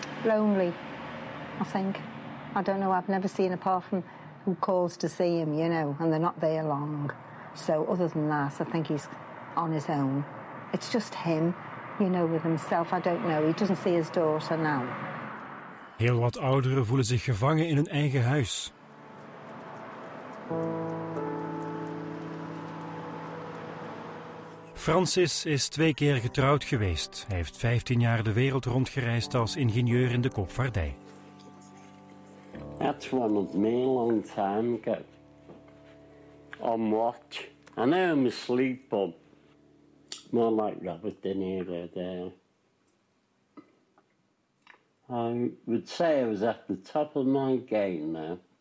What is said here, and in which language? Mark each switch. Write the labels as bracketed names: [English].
[English] Lonely, I think. I don't know, I've never seen apart from who calls to see him, you know, and they're not there long. So other than that, I think he's on his own. It's just him, you know, with himself. I don't know, he doesn't see his daughter now. [Dutch] Heel wat ouderen voelen zich gevangen in hun eigen huis. Francis is 2 keer getrouwd geweest. Hij heeft 15 jaar de wereld rondgereisd als ingenieur in de koopvaardij. [English] That's one of me a long time ago. On watch. I know I'm asleep, but more like Robert De Niro there. I would say I was at the top of my game now.